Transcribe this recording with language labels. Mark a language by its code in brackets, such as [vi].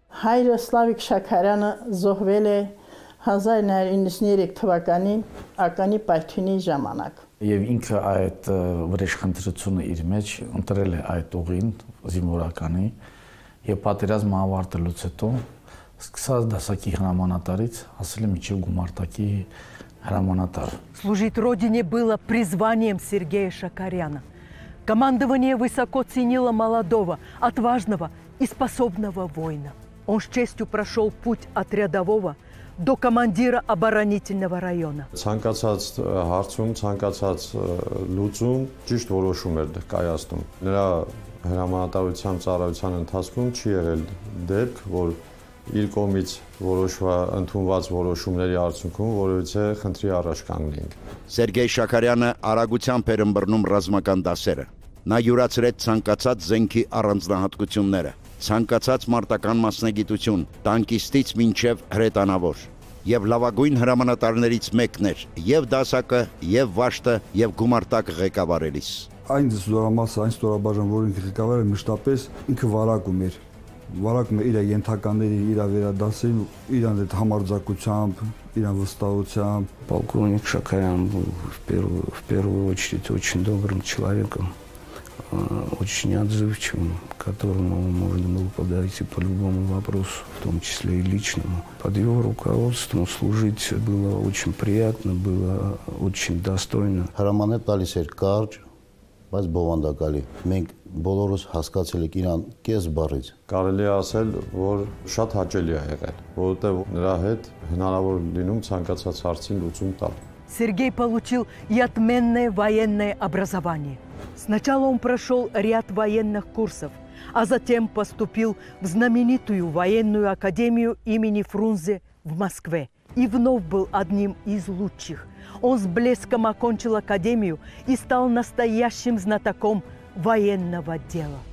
[hy] Հայրը Սլավիկ Շաքարյանը զոհվել է 1993 թվականի ականի պայթյունի ժամանակ։ Եվ ինքը այդ վրեժխնդրությունը իր մեջ ընտրել է այդ ուղին զինվորականի, և պատերազմը ավարտելուց հետո սկսած դասակի հրամանատարից հասել է մինչև գումարտակի հրամանատար։ [ru] Служить родине было призванием Сергея Шакаряна. Командование высоко ценило молодого, отважного и способного воина. Он с честью прошел путь от рядового до командира оборонительного района. [hy] Ցանկացած հարցում, ցանկացած լուծում ճիշտ որոշում էր կայացնում։ Նրա հրամանատարության ծառայության ընթացքում չի եղել դեպք, որ իր կողմից ընդունված որոշումների արդյունքում որևիցե խնդրի առաջ կանգնենք։ Սերգեյ Շաքարյանը արագությամբ էր ըմբռնում ռազմական դասերը։ Նա յուրացրեց ցանկացած զենքի առանձնահատկությունները, ցանկացած մարտական մասնագիտություն, տանկիստից մինչև հրետանավոր, և լավագույն հրամանատարներից մեկն էր, և դասակը, և վաշտը, և գումարտակ ղեկավարելիս։ Այն զորամասը, այն ստորաբաժան, որին ղեկավարել, մշտապես ինքը վարակում էր։ Վարակում էր իր ենթականների, իր վերադասին, իր այդ համարձակությամբ, իր վստահությամբ։ [ru] Պոլկովնիկ Շաքարյան в первую очередь очень добрым человеком, очень отзывчивым, которому можно было подойти по любому вопросу, в том числе и личному. Под его руководством служить было очень приятно, было очень достойно. [hy] Հրամանը տալիս էր կարճ, բայց բովանդակալի։ Մենք բոլորս հասկացել ենք իրան կես բառից։ Կարելի է ասել, որ շատ հաճելի է եղել, որովհետև նրա հետ հնարավոր լինում ցանկացած հարցին լուծում տալ։ [ru] Сергей получил и отменное военное образование. Сначала он прошел ряд военных курсов, а затем поступил в знаменитую военную академию имени Фрунзе в Москве. И вновь был одним из лучших. Он с блеском окончил академию и стал настоящим знатоком военного дела.